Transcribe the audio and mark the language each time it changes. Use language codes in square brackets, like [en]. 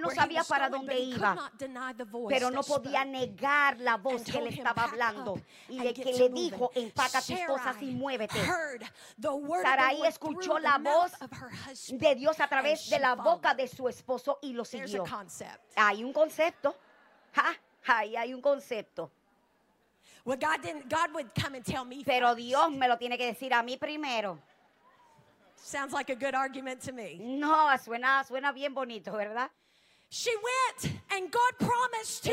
[es] no sabía para dónde iba, pero no podía negar la voz que le estaba hablando y de que le dijo, empaca tus cosas y muévete. Sarai escuchó la voz de Dios a través de la boca de su esposo y lo siguió. Hay un concepto. Ahí hay un concepto. [en] Well, God would come and tell me. [es] Pero Dios me lo tiene que decir a mí primero. [en] Sounds like a good argument to me. [es] No, suena bien bonito, ¿verdad? [en] She went and God promised to